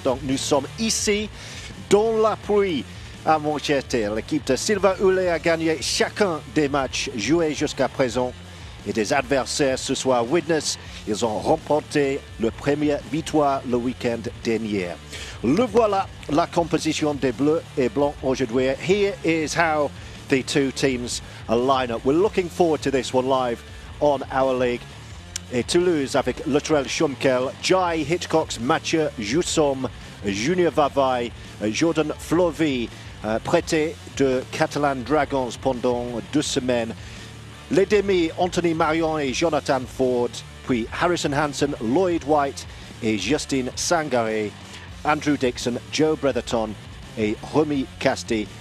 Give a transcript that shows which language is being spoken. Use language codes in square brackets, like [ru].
[fr] Donc, nous sommes ici, dans la pluie, à Manchester. L'équipe de Silva Houle a gagné chacun des matchs joués jusqu'à présent. Et des adversaires, ce soir, Widnes, ils ont remporté la première victoire le week-end dernier. Le voilà, la composition des bleus et blancs aujourd'hui. [en] Here is how the two teams line up. We're looking forward to this one live on Our League. [fr] Et Toulouse avec Luttrell Schumkel, Jai Hitchcock, Mathieu Jussom, Junior Vavai, Jordan Flovy, prêté de Catalan Dragons pendant deux semaines. Les demi, Anthony Marion et Jonathan Ford, puis Harrison Hansen, Lloyd White et Justin Sangaré, Andrew Dixon, Joe Bretherton et Remy Casti.